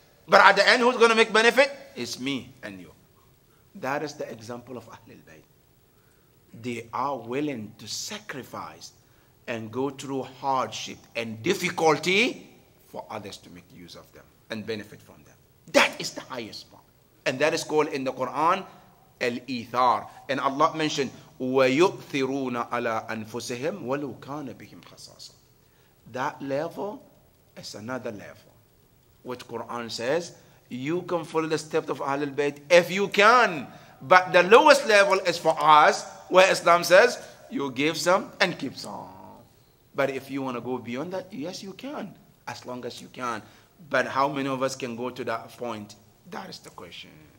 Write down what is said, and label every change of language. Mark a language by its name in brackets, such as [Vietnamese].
[English] But at the end, who's going to make benefit? It's me and you. That is the example of Ahlul Bayt. They are willing to sacrifice and go through hardship and difficulty for others to make use of them and benefit from them. That is the highest part. And that is called in the Quran, Al-Ithar. [Arabic] And Allah mentioned, وَيُؤْثِرُونَ عَلَىٰ أَنفُسِهِمْ وَلُوْ كَانَ بِهِمْ خَصَاصًا. [English] That level is another level. What Quran says, you can follow the steps of Ahlul Bayt if you can. But the lowest level is for us, where Islam says, you give some and keep some. But if you want to go beyond that, yes, you can. As long as you can. But how many of us can go to that point? That is the question.